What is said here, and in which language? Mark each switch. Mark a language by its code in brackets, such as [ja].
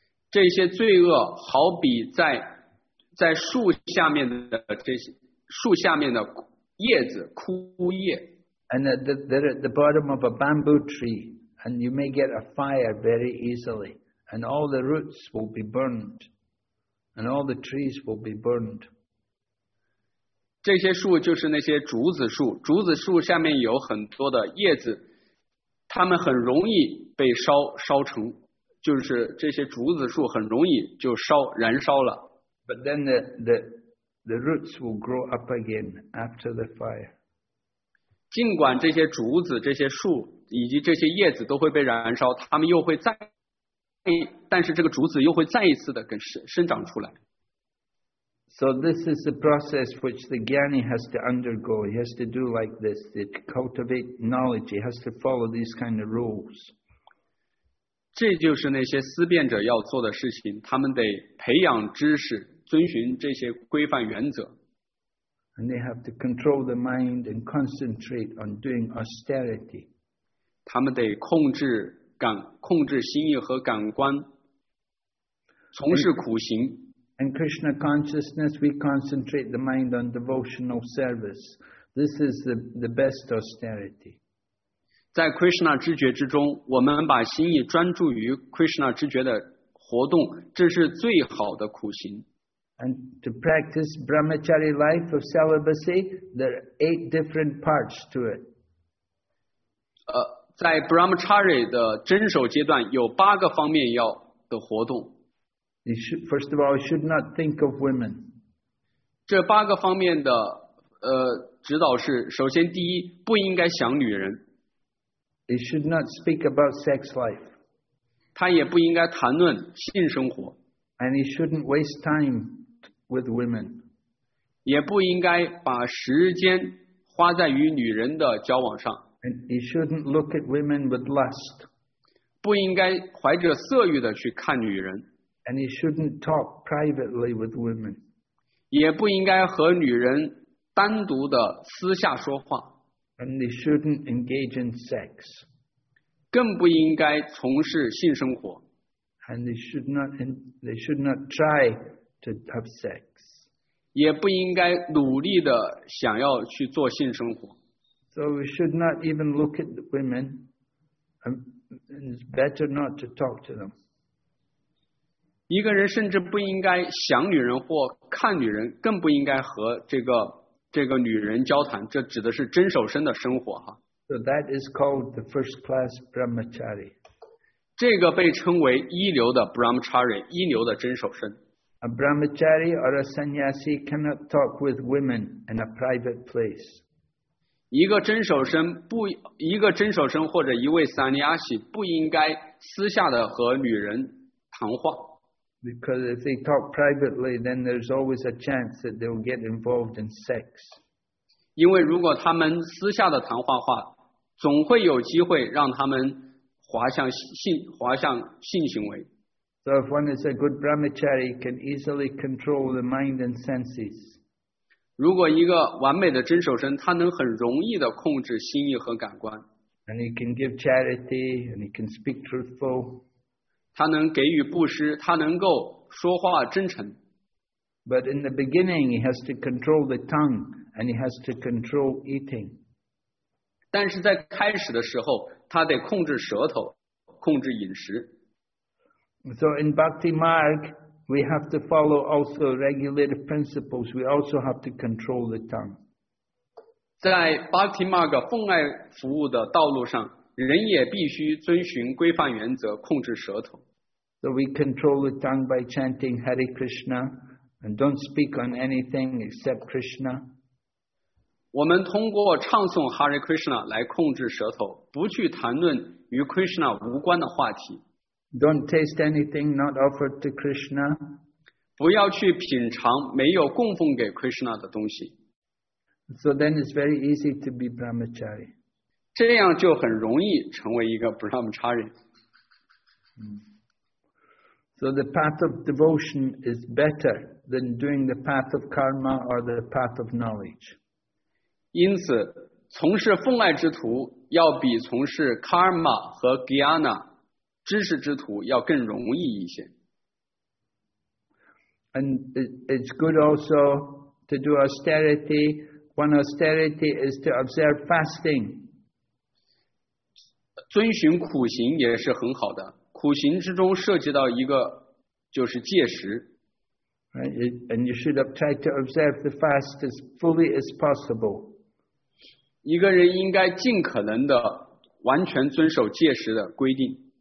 [zh] 这些罪恶好比在树下面的树下面的叶子枯叶。 [en] And they're at the bottom of a bamboo tree, and you may get a fire very easily, and all the roots will be burned, and all the trees will be burned. [zh] 这些树就是那些竹子树，竹子树下面有很多的叶子，它们很容易被烧成，就是这些竹子树很容易就燃烧了。 [en] But then the roots will grow up again after the fire. [zh] 尽管这些竹子、这些树以及这些叶子都会被燃烧，它们又会再，但是这个竹子又会再一次的跟生长出来。 [en] So this is the process which the Gyani has to undergo. He has to do like this. To cultivate knowledge, he has to follow these kind of rules. [zh] 这就是那些思辨者要做的事情，他们得培养知识，遵循这些规范原则。 [en] And they have to control the mind and concentrate on doing austerity. [zh] 他们得控制心意和感官，从事苦行。 [en] In Krishna consciousness, we concentrate the mind on devotional service. This is the best austerity. [zh] 在 Krishna 知觉之中，我们把心意专注于 Krishna 知觉的活动，这是最好的苦行。 [en] And to practice brahmachari life of celibacy, there are 8 different parts to it. [zh] 在 brahmachari 的遵守阶段，有八个方面要的活动。 [en] First of all, you should not think of women. [zh] 这八个方面的指导是：首先，第一，不应该想女人。 [en] You should not speak about sex life. [zh] 他也不应该谈论性生活。 [en] And you shouldn't waste time with women. [zh] 也不应该把时间花在与女人的交往上。 [en] And you shouldn't look at women with lust. [zh] 不应该怀着色欲的去看女人。 [en] And you shouldn't talk privately with women. [zh] 也不应该和女人单独的私下说话。 [en] And you shouldn't engage in sex. [zh] 更不应该从事性生活。 [en] And they should not try to have sex. [zh] 也不应该努力的想要去做性生活。 [en] So we should not even look at the women, and it's better not to talk to them. [zh] 一个人甚至不应该想女人或看女人，更不应该和这个女人交谈。这指的是真守身的生活哈。 [en] So that is called the first class brahmachari. [zh] 这个被称为一流的 brahmachari， 一流的真守身。 [en] A brahmachari or a sannyasi cannot talk with women in a private place. [zh] 一个真守身或者一位 sannyasi 不应该私下的和女人谈话。 [en] Because if they talk privately, then there's always a chance that they'll get involved in sex. [zh] 因为如果他们私下的谈话的话，总会有机会让他们滑向性行为。 [en] So if one is a good brahmachari, can easily control the mind and senses. [zh] 如果一个完美的真守身，他能很容易的控制心意和感官。 [en] And he can give charity, and he can speak truthful. [zh] 他能给予布施，他能够说话真诚。 [en] But in the beginning, he has to control the tongue, and he has to control eating. [zh] 但是在开始的时候。他得控制舌头，控制饮食。 [en] So in Bhakti Marg, we have to follow also regulative principles. We also have to control the tongue. [zh] 在 Bhakti Marg 奉爱服务的道路上，人也必须遵循规范原则，控制舌头。 [en] So we control the tongue by chanting Hare Krishna and don't speak on anything except Krishna. [zh] 我们通过唱诵 Hare Krishna 来控制舌头，不去谈论与 Krishna 无关的话题。 [en] Don't taste anything not offered to Krishna. [zh] 不要去品尝没有供奉给 Krishna 的东西。 [en] So then it's very easy to be Brahmachari. [zh] 这样就很容易成为一个 Brahmachari。 [en] So the path of devotion is better than doing the path of karma or the path of knowledge. [zh] 因此，从事奉爱之徒要比从事 karma 和 jnana 知识之徒要更容易一些。 [en] And it's good also to do austerity. One austerity is to observe fasting. [zh] 遵循苦行也是很好的。苦行之中涉及到一个就是戒食。 [en] And you should have tried to observe the fast as fully as possible. [zh] 一个人应该尽可能的完全遵守戒食的规定。